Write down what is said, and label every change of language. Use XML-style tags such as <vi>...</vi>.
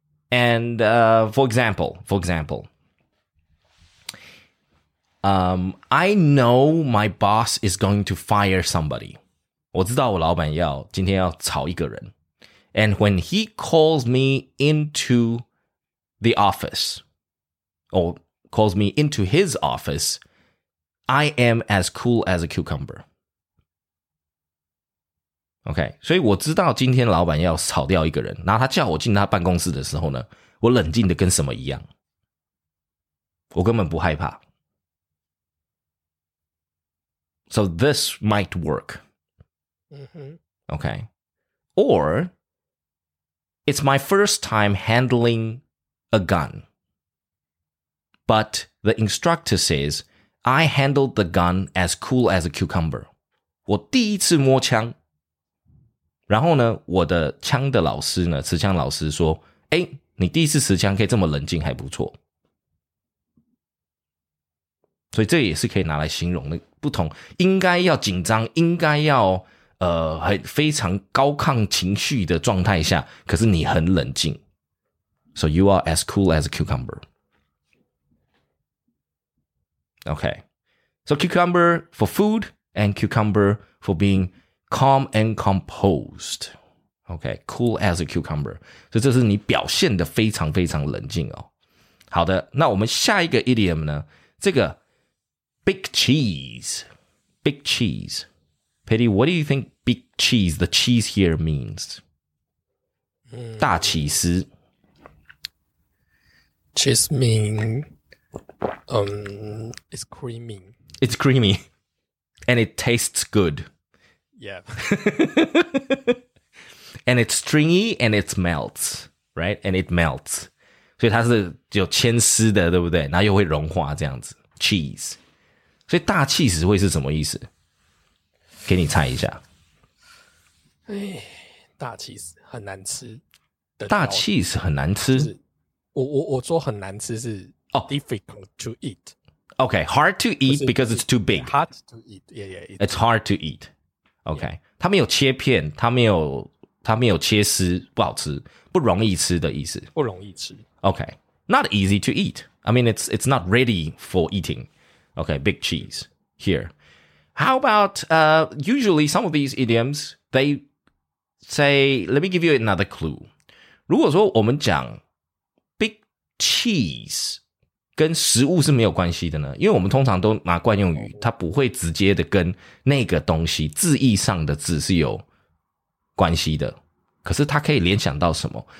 <en>And for example, I know my boss is going to fire somebody.</en> <zh>我知道我老板要今天要炒一个人。</zh> <en>And when he calls me into the office, or calls me into his office, I am as cool as a cucumber.</en> <zh>OK, 所以我知道今天老板要炒掉一个人，然后他叫我进他办公室的时候呢，我冷静的跟什么一样，我根本不害怕。</zh> <en>So this might work. OK. Or, it's my first time handling a gun. But the instructor says, I handled the gun as cool as a cucumber.</en> <zh>我第一次摸枪。然后呢，我的枪的老师呢，持枪老师说：“哎，你第一次持枪可以这么冷静，还不错。” 所以这也是可以拿来形容的不同，应该要紧张，应该要很非常高亢情绪的状态下，可是你很冷静。</zh> <en>So you are as cool as a cucumber. Okay, so cucumber for food and cucumber for being. Calm and composed. Okay, cool as a cucumber.</en> <zh>所以这是你表现的非常非常冷静哦。好的，那我们下一个 idiom 呢？这个 big cheese. Big cheese.</zh> <en>Petty, what do you think big cheese, the cheese here means?、</en> <zh>大起司。</zh> <en>Cheese mean, it's creamy. It's creamy. And it tastes good. Yeah. And it's stringy and it melts, right? And it melts.</en> <zh>所以它是有纤丝的，对不对？然后又会融化这样子。Cheese. 所以大起司会是什么意思？给你猜一下。哎，大起司很难吃。大起司很难吃。我说很难吃是</zh> <en>difficult to eat. Okay, hard to eat because it's too big. Hard to eat. Yeah, yeah. It's hard to eat.</en> <zh>OK, 它没有切片，它没有切丝，不好吃，不容易吃的意思。不容易吃。</zh> <en>OK, not easy to eat. I mean, it's not ready for eating. OK, big cheese here. How about, usually some of these idioms, they say, let me give you another clue.</en> <zh>如果说我们讲 big cheese 跟食物是没有关系的呢，因为我们通常都拿惯用语，它不会直接的跟那个东西字义上的字是有关系的，可是它可以联想到什么？</zh>